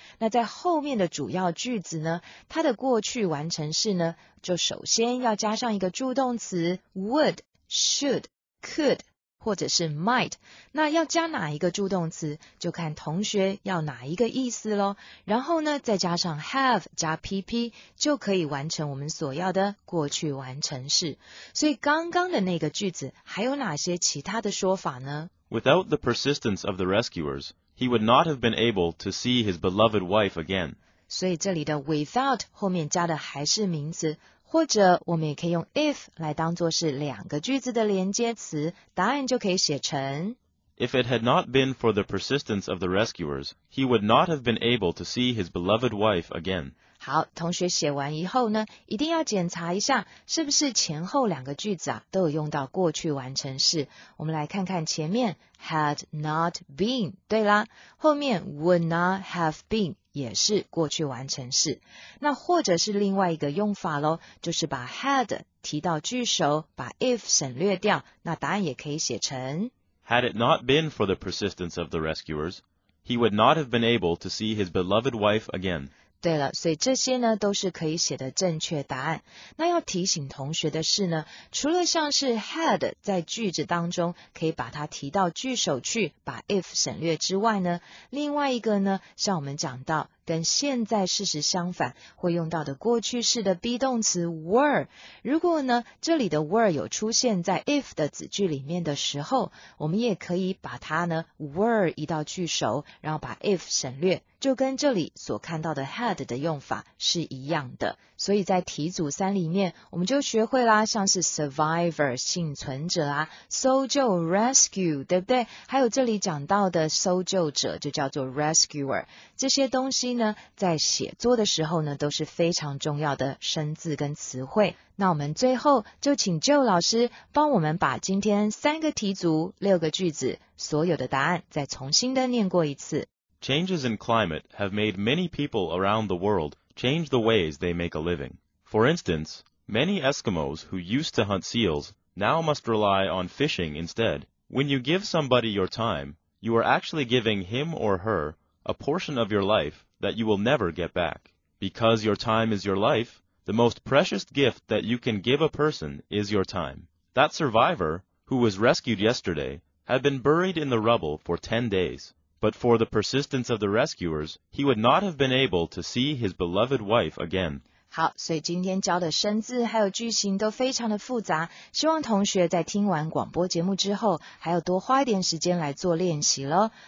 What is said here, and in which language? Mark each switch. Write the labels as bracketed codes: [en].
[zh] 那在后面的主要句子呢，它的过去完成式呢，就首先要加上一个助动词 would, should, could, 或者是 might。那要加哪一个助动词，就看同学要哪一个意思咯，然后呢再加上 have 加 PP 就可以完成我们所要的过去完成式。所以刚刚的那个句子还有哪些其他的说法呢？ [en] Without the persistence of the rescuers, he would not have been able to see his beloved wife again. [zh] 所以这里的 without 后面加的还是名词，或者我们也可以用 if 来当作是两个句子的连接词，答案就可以写成 [en] If it had not been for the persistence of the rescuers, he would not have been able to see his beloved wife again. [zh] 好，同学写完以后呢，一定要检查一下是不是前后两个句子啊都有用到过去完成式。我们来看看前面 [en] had not been, [zh] 对啦，后面 [en] would not have been, [zh] 也是过去完成式。那或者是另外一个用法咯，就是把 had 提到句首，把 if 省略掉，那答案也可以写成 [en] Had it not been for the persistence of the rescuers, he would not have been able to see his beloved wife again. [zh] 对了，所以这些呢都是可以写的正确答案。那要提醒同学的是呢，除了像是 had 在句子当中可以把它提到句首去，把 if 省略之外呢，另外一个呢，像我们讲到跟现在事实相反会用到的过去式的 be 动词 were， 如果呢这里的 were 有出现在 if 的子句里面的时候，我们也可以把它呢 were 移到句首，然后把 if 省略，就跟这里所看到的 had 的用法是一样的。所以在题组三里面我们就学会啦，像是 survivor 幸存者啊，搜救 rescue 对不对，还有这里讲到的搜救者就叫做 rescuer， 这些东西呢在写作的时候呢都是非常重要的生字跟词汇。那我们最后就请 Joe 老师帮我们把今天三个题组六个句子所有的答案再重新的念过一次。 [en] Changes in climate have made many people around the world change the ways they make a living. For instance, many Eskimos who used to hunt seals now must rely on fishing instead. When you give somebody your time, you are actually giving him or her a portion of your life that you will never get back. Because your time is your life, the most precious gift that you can give a person is your time. That survivor, who was rescued yesterday, had been buried in the rubble for 10 days. But for the persistence of the rescuers, he would not have been able to see his beloved wife again. [zh] 好，所以今天教的生字还有句型都非常的复杂，希望同学在听完广播节目之后，还要多花一点时间来做练习咯。